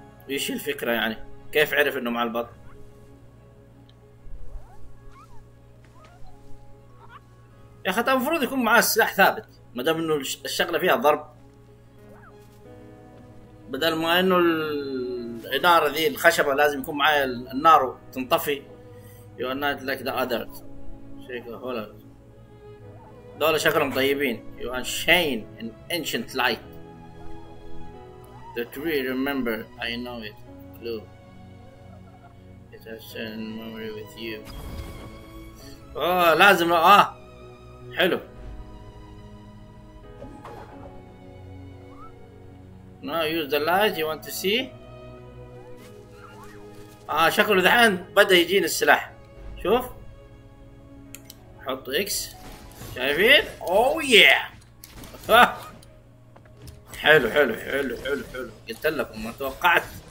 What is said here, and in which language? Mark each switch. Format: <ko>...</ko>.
<ar>ايش الفكرة يعني؟ كيف عرف انه مع البط؟ يا اخي المفروض يكون معاه السلاح ثابت، ما دام انه الشغلة فيها ضرب. بدل ما انه الإنارة ذي الخشبة لازم يكون معايا النار وتنطفي.</ar> <en>You are not like the others.</en> <ar>شكرا هولر. دول شكلهم طيبين.</ar> <en>You are shining in ancient light. The tree remember, I know it. Blue. It has shared a memory with you.</en> <ar>لازم حلو.</ar> <en>Now use the light you want to see.</en> <ar>شكله دحين بدأ يجيني السلاح. شوف. حط اكس. شايفين؟ اوه ياه. حلو حلو حلو حلو حلو. قلت لكم ما توقعت.</ar>